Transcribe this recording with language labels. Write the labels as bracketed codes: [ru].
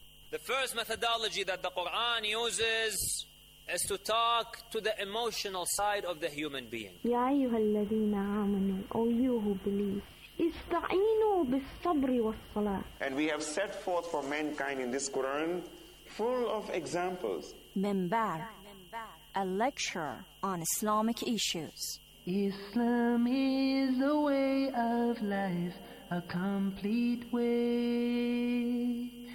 [en] The first methodology that the Quran uses is to talk to the emotional side of the human being. [ar] يا أيها الذين آمنوا, [en] O you who believe, [ar] استعينوا بالصبر والصلاة. [en] And we have set forth for mankind in this Quran full of examples. Minbar, a lecture on Islamic issues. Islam is the way of life, a complete way.